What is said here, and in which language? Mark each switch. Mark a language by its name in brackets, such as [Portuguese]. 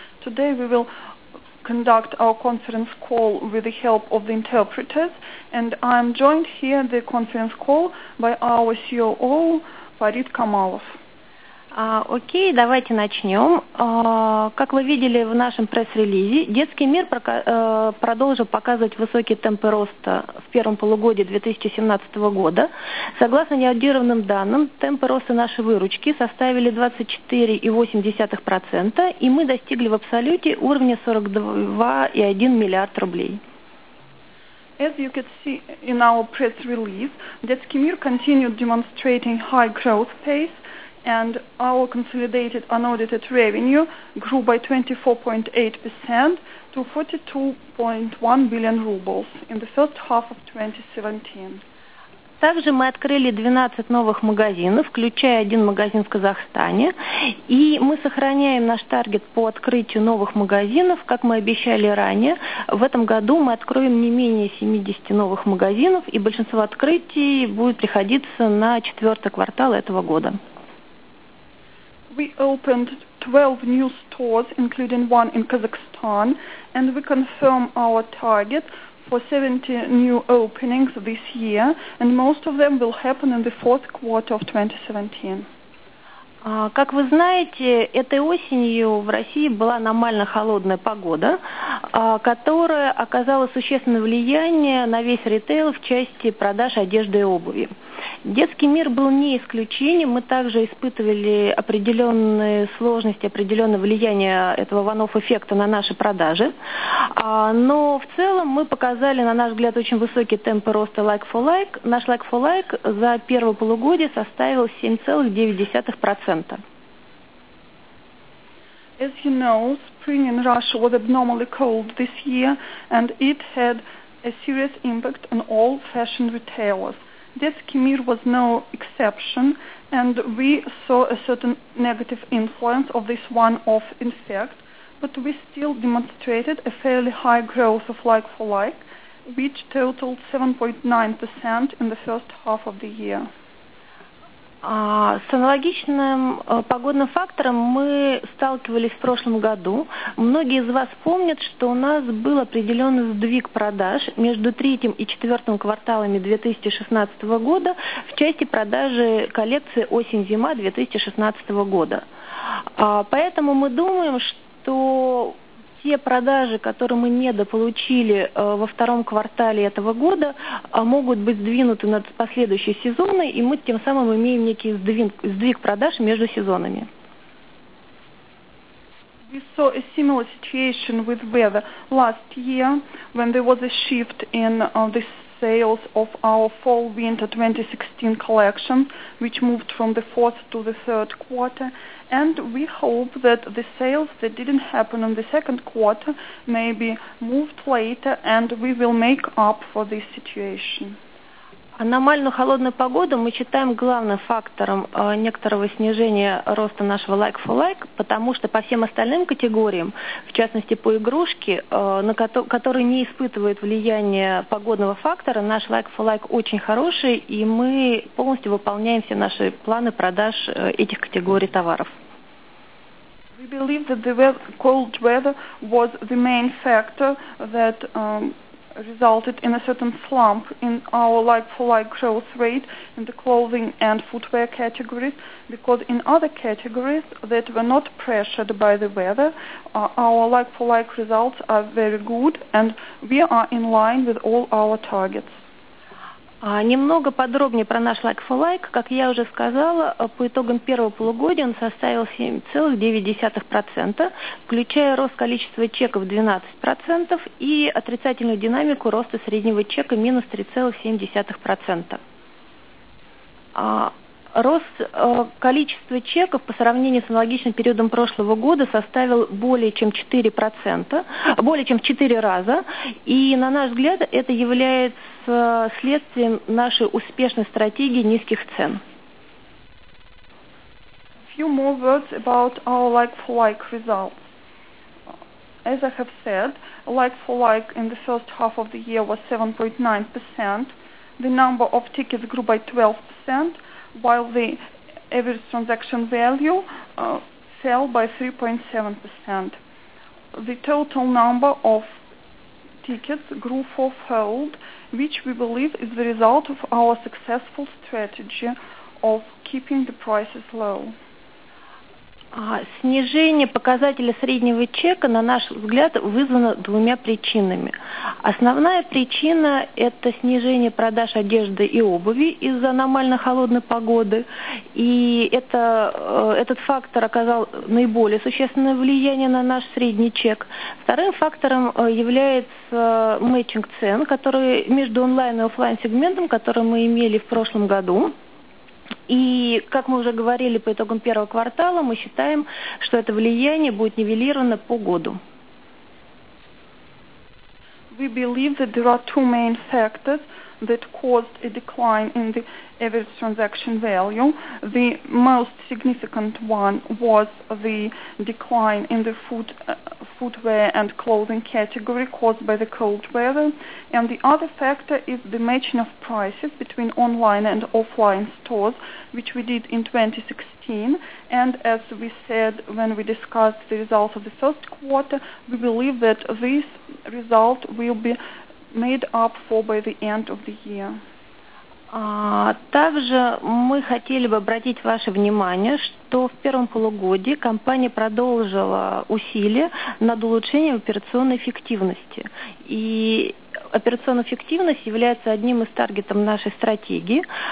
[English] Today we will conduct our conference call with the help of the interpreters, and I'm joined here the conference call by our COO, Фарид Камалов. [Russian] Окей, давайте начнем. Как вы видели в нашем пресс-релизе, Детский мир продолжил показывать высокие темпы роста в первом полугодии 2017 года. Согласно неаудированным данным, темпы роста нашей выручки составили 24,8%, и мы достигли в абсолюте уровня 42,1 миллиард рублей. [English] As you could see in our press release, Dezkemir continued demonstrating high growth pace, and our consolidated unaudited revenue grew by 24.8% to 42.1 billion rubles in the first half of 2017. [Russian] Также мы открыли 12 новых магазинов, включая один магазин в Казахстане. И мы сохраняем наш таргет по открытию новых магазинов, как мы обещали ранее. В этом году мы откроем не менее 70 новых магазинов, и большинство открытий будет приходиться на четвертый квартал этого года. [English] We opened 12 new stores, including one in Kazakhstan, and we confirm our target for 70 new openings this year, and most of them will happen in the fourth quarter of 2017. [Russian] Как вы знаете, этой осенью в России была аномально холодная погода, которая оказала существенное влияние на весь ритейл в части продаж одежды и обуви. Детский мир был не исключением. Мы также испытывали определенные сложности, определенное влияние этого one-off эффекта на наши продажи. Но в целом мы показали, на наш взгляд, очень высокие темпы роста like-for-like. Наш like-for-like за первое полугодие составил 7,9%. [English] As you know, spring in Russia was abnormally cold this year, and it had a serious impact on all fashion retailers. Dezkemir was no exception, and we saw a certain negative influence of this one-off effect, but we still demonstrated a fairly high growth of like-for-like, which totaled 7.9% in the first half of the year. [Russian] С аналогичным погодным фактором мы сталкивались в прошлом году. Многие из вас помнят, что у нас был определенный сдвиг продаж между третьим и четвертым кварталами 2016 года в части продажи коллекции «Осень-зима» 2016 года. Поэтому мы думаем, что те продажи, которые мы недополучили во втором квартале этого года, могут быть сдвинуты на последующие сезоны, и мы тем самым имеем некий сдвиг продаж между сезонами. [English] We saw a similar situation with weather last year when there was a shift in the sales of our fall-winter 2016 collection, which moved from the fourth to the third quarter. And we hope that the sales that didn't happen in the second quarter may be moved later, and we will make up for this situation. [Russian] Аномальную холодную погоду мы считаем главным фактором некоторого снижения роста нашего like-for-like, потому что по всем остальным категориям, в частности по игрушке, которые не испытывают влияние погодного фактора, наш like-for-like очень хороший, и мы полностью выполняем все наши планы продаж этих категорий товаров. [English] We believe that the cold weather was the main factor that resulted in a certain slump in our like-for-like growth rate in the clothing and footwear categories, because in other categories that were not pressured by the weather, our like-for-like results are very good, and we are in line with all our targets. [Russian] Немного подробнее про наш like-for-like. Как я уже сказала, по итогам первого полугодия он составил 7,9%, включая рост количества чеков 12% и отрицательную динамику роста среднего чека минус 3,7%. Рост количества чеков по сравнению с аналогичным периодом прошлого года составил более чем 4%, более чем в 4 раза. И, на наш взгляд, это является следствием нашей успешной стратегии низких цен. [English] A few more words about our like-for-like results. As I have said, like-for-like in the first half of the year was 7.9%. The number of tickets grew by 12%. While the average transaction value fell by 3.7%. The total number of tickets grew fourfold, which we believe is the result of our successful strategy of keeping the prices low. [Russian] Снижение показателя среднего чека, на наш взгляд, вызвано двумя причинами. Основная причина – это снижение продаж одежды и обуви из-за аномально холодной погоды. И этот фактор оказал наиболее существенное влияние на наш средний чек. Вторым фактором является мэтчинг цен, который между онлайн и офлайн сегментом, который мы имели в прошлом году. И, как мы уже говорили по итогам первого квартала, мы считаем, что это влияние будет нивелировано по году. [English] We believe that there are two main factors that caused a decline in the average transaction value. The most significant one was the decline in the footwear and clothing category caused by the cold weather. And the other factor is the matching of prices between online and offline stores, which we did in 2016. And as we said when we discussed the results of the first quarter, we believe that this result will be made up for by the end of the year. [Russian] Также мы хотели бы обратить ваше внимание, что в первом полугодии компания продолжила усилия над улучшением операционной эффективности. И операционная эффективность является одним из таргетов нашей стратегии.